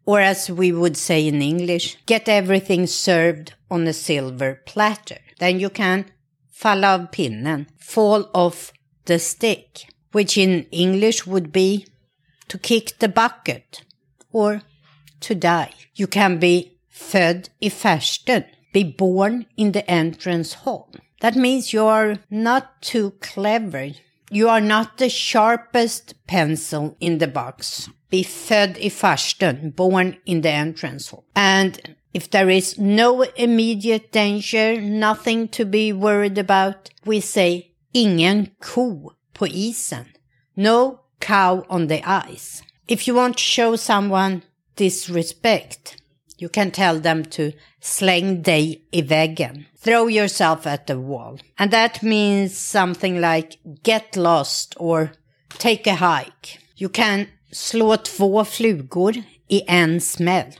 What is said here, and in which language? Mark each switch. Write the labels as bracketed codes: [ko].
[en] Or as we would say in English, get everything served on a silver platter. Then you can [sv] falla av pinnen, [en] fall off the stick, which in English would be to kick the bucket or to die. You can be [sv] född i färsten, [en] be born in the entrance hall. That means you are not too clever. You are not the sharpest pencil in the box. Be [sv] född i färsten, [en] born in the entrance hall. And if there is no immediate danger, nothing to be worried about, we say [sv] ingen ko på isen. [en] No cow on the ice. If you want to show someone disrespect, you can tell them to [sv] släng dig i väggen, [en] throw yourself at the wall. And that means something like get lost or take a hike. You can [sv] Slå två flugor i en smäll.